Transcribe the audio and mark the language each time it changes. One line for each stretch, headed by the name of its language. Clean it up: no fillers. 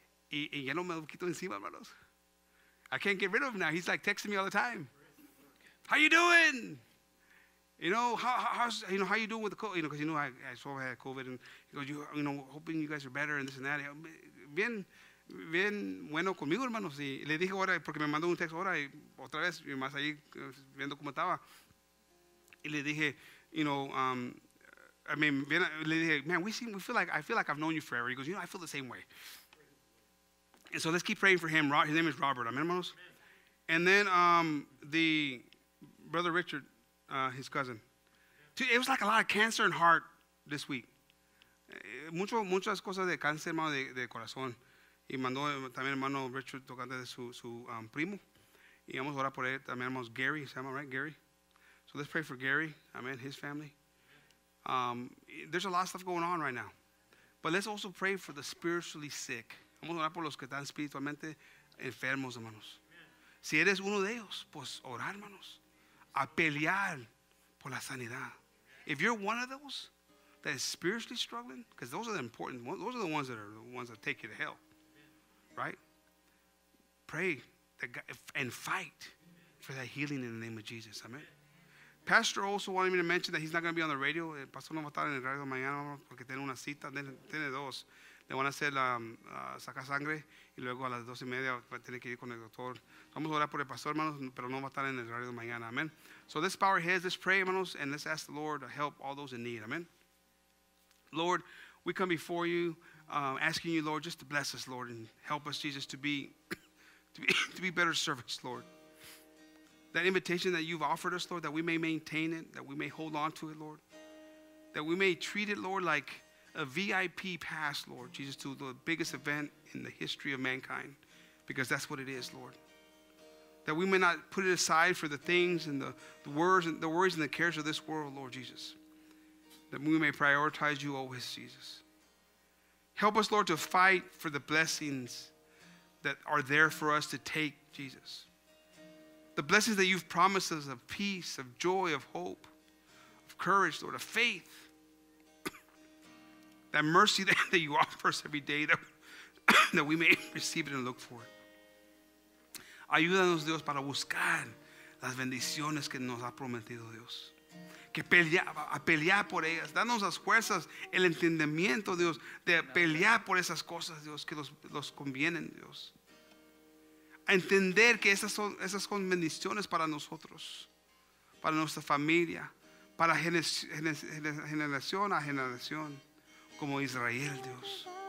Spanish: Y ya no me lo quito encima, hermanos.
English: I can't get rid of him now. He's like texting me all the time. How you doing? You know, how you doing with the COVID? You know, because you know I saw I had COVID. And he goes, you know, hoping you guys are better and this and that.
Spanish: Bien, bien bueno conmigo, hermanos. Y le dije ahora, porque me mandó un texto ahora, y otra vez, y más ahí viendo cómo estaba. Y le dije,
English: you know,
Spanish: le dije,
English: man, I feel like I've known you forever. He goes, you know, I feel the same way. And so let's keep praying for him. His name is Robert. Amen, hermanos. And then the brother Richard, his cousin. Dude, it was like a lot of cancer in heart this week.
Spanish: Muchas cosas de cáncer, hermano, de corazón. Y mandó también hermano Richard tocante de su primo. Y vamos a orar por él. También hermanos Gary, se llama, right, Gary.
English: Let's pray for Gary, amen, his family. There's a lot of stuff going on right now. But let's also pray for the spiritually sick.
Spanish: Vamos a orar por los que están espiritualmente enfermos, hermanos. Si eres uno de ellos, pues orar, hermanos. A pelear por la sanidad.
English: If you're one of those, that is spiritually struggling, because those are the important ones. Those are the ones that are the ones that take you to hell, right? Pray that God, and fight for that healing in the name of Jesus. Amen. Pastor also wanted me to mention that he's not going to be on the radio.
Spanish: El pastor no va a estar en el radio mañana porque tiene una cita. Tiene dos. Le van a hacer la saca sangre y luego a las 2:30 va a tener que ir con el doctor. Vamos a orar por el pastor, hermanos, pero no va a estar en el radio mañana.
English: Amen. So let's bow our heads. Let's pray, hermanos, and let's ask the Lord to help all those in need. Amen. Lord, we come before you asking you, Lord, just to bless us, Lord, and help us, Jesus, to be better servants, Lord. That invitation that you've offered us, Lord, that we may maintain it, that we may hold on to it, Lord. That we may treat it, Lord, like a VIP pass, Lord, Jesus, to the biggest event in the history of mankind, because that's what it is, Lord. That we may not put it aside for the things and the worries and the cares of this world, Lord Jesus. That we may prioritize you always, Jesus. Help us, Lord, to fight for the blessings that are there for us to take, Jesus. The blessings that you've promised us of peace, of joy, of hope, of courage, Lord, of faith. That mercy that you offer us every day that we may receive it and look for it.
Spanish: Ayúdanos, Dios, para buscar las bendiciones que nos ha prometido Dios. Que pelear por ellas. Danos las fuerzas, el entendimiento, Dios, de pelear por esas cosas, Dios, que los convienen, Dios. A entender que esas son bendiciones para nosotros, para nuestra familia, para generación a generación, como Israel, Dios.